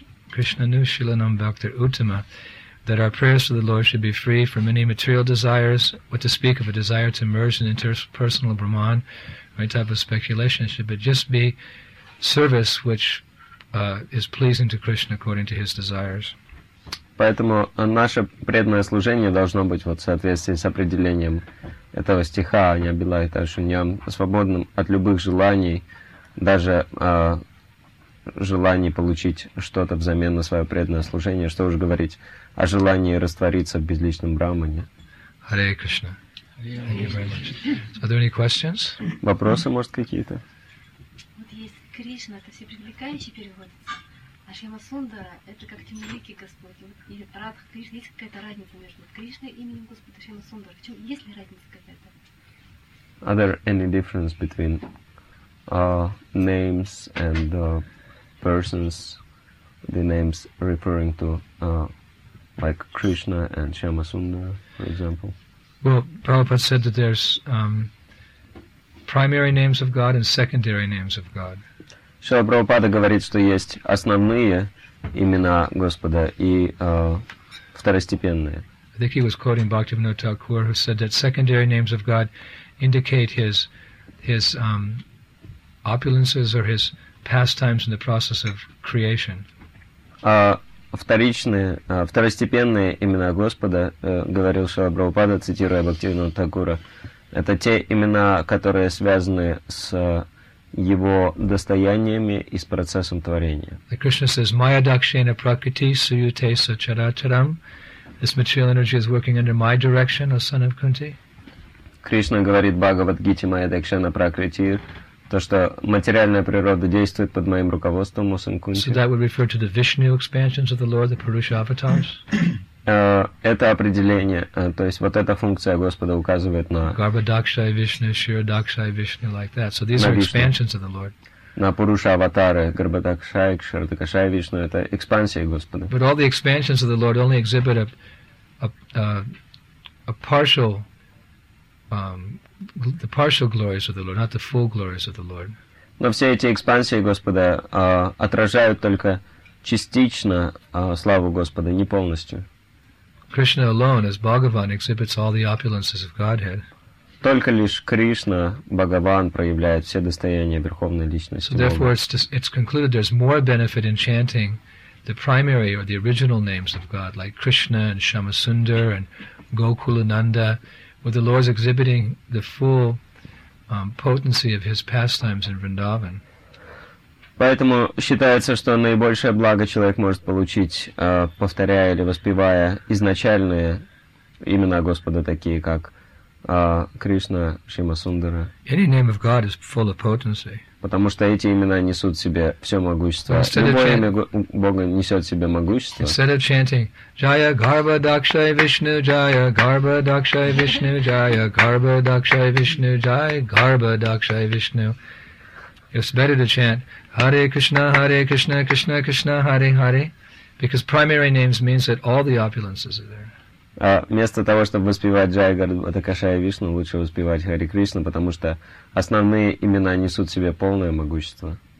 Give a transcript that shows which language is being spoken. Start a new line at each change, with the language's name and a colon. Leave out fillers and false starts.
English: That our prayers to the Lord should be free from any material desires, what to speak of a desire to merge in interpersonal Brahman, any type of speculation, should but just be service which is pleasing to Krishna according to His desires.
Russian: Поэтому наше преданное служение должно быть вот в соответствии с определением этого стиха, не обилает ашуньям, свободным от любых желаний, даже желаний получить что-то взамен на свое преданное служение, что уж говорить о желании раствориться в безличном брахмане.
English: Харе Кришна. Thank you very much. So, are there any questions?
Russian: Вопросы, может, какие-то? Вот есть Кришна, это все привлекающие переводится. А Шрима Сундара — это как Тимурики Господь. И Радха Кришна, есть какая-то разница между Кришной именем Господа и Шрима Сундара? В чем есть ли разница какая-то?
English: Are there any difference between names and persons, the names referring to like Krishna and Shyamasundara, for example? Well, Prabhupada said that there's primary names of God and secondary names of God.
Russian: Шрила Прабхупада говорит, что есть основные имена Господа и второстепенные.
English: I think he was quoting Bhaktivinoda Thakur, who said that secondary names of God indicate his opulences or his pastimes in the process of creation.
Russian: Второстепенные имена Господа, говорил Шрила Прабхупада, цитируя Бхактивинода Тхакура, это те имена, которые связаны с его достояниями и с процессом творения.
English: The Krishna says,
Sanskrit: Maya Dakshina Prakriti Suyute Sacharacharam.
English: This material energy is working under my direction, O son of Kunti.
Russian: Кришна говорит Бхагавад-гите
Sanskrit: Maya Dakshina Prakriti,
Russian: то, что материальная природа действует под моим руководством, сын Кунти.
English: So that would refer to the Vishnu expansions of the Lord, the Purusha avatars.
Russian: Это определение, то есть вот эта функция Господа указывает на
English: Гарбадакшай Вишну, Ширадакшай Вишну, like that. So these are expansions of the Lord.
Russian: На Пуруша аватары, Гарбадакшай, Ширадакшай Вишну, это экспансия Господа.
English: But all the expansions of the Lord only exhibit a partial the partial glories of the Lord, not the full glories of the Lord.
Russian: Но все эти экспансии Господа отражают только частично славу Господа, не полностью.
English: Krishna alone, as Bhagavan, exhibits all the opulences of Godhead.
Russian: Только лишь Кришна, Бхагаван, проявляет все достояния Верховной Личности
English: Бога. So therefore, it's concluded there's more benefit in chanting the primary or the original names of God, like Krishna and Shyamasundara and Gokulananda, where the Lord is exhibiting the full potency of His pastimes in Vrindavan.
Russian: Поэтому считается, что наибольшее благо человек может получить, повторяя или воспевая изначальные имена Господа, такие как Кришна Шимасундара.
English: Any name of God is full of potency.
Russian: Потому что эти имена несут в себе все могущество. Любое имя Бога несет в себе могущество.
English: Instead of chanting, Jaya Garba Dakshay Vishnu, Jaya Garba Dakshay Vishnu, Jaya Garba Dakshay Vishnu, Jaya Garba Dakshay Vishnu, it's better to chant Hare Krishna, Krishna Krishna, Hare Hare, because primary names means that all the opulences are there.
Russian: Вместо того, чтобы воспевать Джай Гарбхада Кшая Вишну, лучше воспевать Хари Кришну, потому что основные имена несут в себе полное могущество.